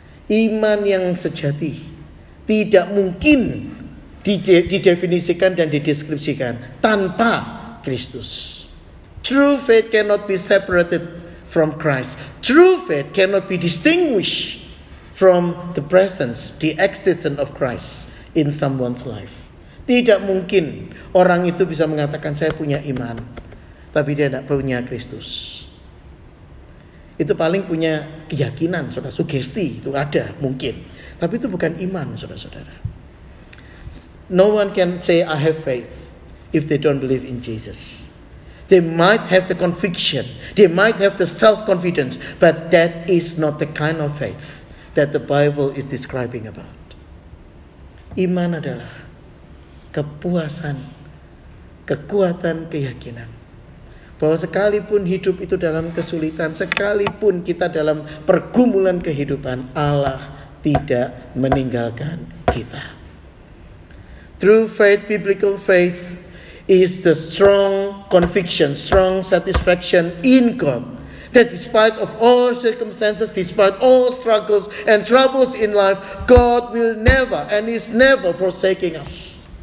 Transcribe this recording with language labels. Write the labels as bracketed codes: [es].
[id] Iman yang sejati tidak mungkin didefinisikan dan dideskripsikan tanpa Kristus. [en] True faith cannot be separated from Christ. True faith cannot be distinguished from the presence, the existence of Christ in someone's life. [id] Tidak mungkin orang itu bisa mengatakan saya punya iman, tapi dia tidak punya Kristus. Itu paling punya keyakinan, saudara, sugesti itu ada mungkin, tapi itu bukan iman, saudara-saudara. [en] No one can say I have faith if they don't believe in Jesus. They might have the conviction, they might have the self-confidence, but that is not the kind of faith that the Bible is describing about. [id] Iman adalah kepuasan, kekuatan, keyakinan bahwa sekalipun hidup itu dalam kesulitan, sekalipun kita dalam pergumulan kehidupan, Allah tidak meninggalkan kita. [en] True faith, biblical faith, is the strong conviction, strong satisfaction in God, that despite of all circumstances, despite all struggles and troubles in life, God will never and is never forsaking us.